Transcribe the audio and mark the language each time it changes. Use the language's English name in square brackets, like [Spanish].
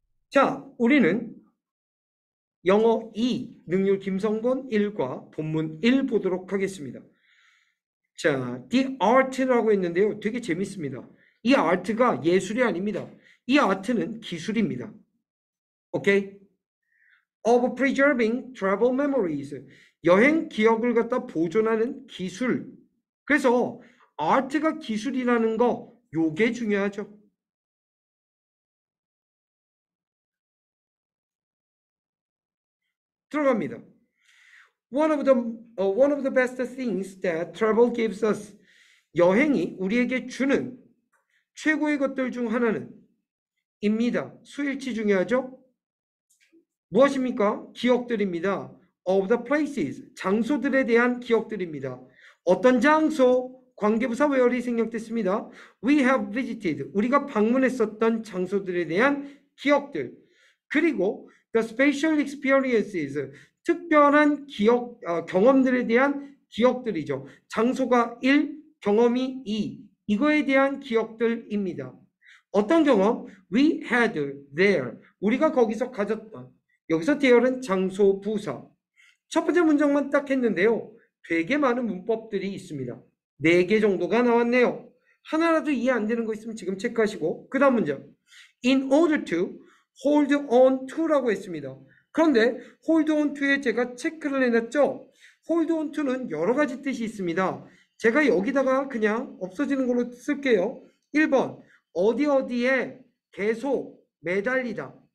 [Korean] 자, 우리는 영어 2 능률 김성곤 1과 본문 1 보도록 하겠습니다. 자, The Art라고 했는데요. 되게 재밌습니다. 이 아트가 예술이 아닙니다. 이 아트는 기술입니다. 오케이? [English] Of preserving travel memories. [Korean] 여행 기억을 갖다 보존하는 기술. 그래서 아트가 기술이라는 거, 요게 중요하죠. 들어갑니다. [English] One of the best things that travel gives us. [Korean] 여행이 우리에게 주는 최고의 것들 중 하나는 입니다. 수일치 중요하죠? 무엇입니까? 기억들입니다. [English] Of the places, [Korean] 장소들에 대한 기억들입니다. 어떤 장소? 관계부사 where이 생략됐습니다. [English] We have visited, [Korean] 우리가 방문했었던 장소들에 대한 기억들. 그리고 [English] the special experiences, [Korean] 특별한 기억, 경험들에 대한 기억들이죠. 장소가 1, 경험이 2. 이거에 대한 기억들입니다. 어떤 경험? [English] We had there. [Korean] 우리가 거기서 가졌다. 여기서 there은 장소 부사. 첫 번째 문장만 딱 했는데요. 되게 많은 문법들이 있습니다. 네개 정도가 나왔네요. 하나라도 이해 안 되는 거 있으면 지금 체크하시고. 그 다음 문장. [English] In order to hold on to라고 했습니다. [Korean] 그런데 hold on to에 제가 체크를 해놨죠? Hold on to는 여러 가지 뜻이 있습니다. 제가 여기다가 그냥 없어지는 걸로 쓸게요. 1번, 어디 어디에 계속 매달리다.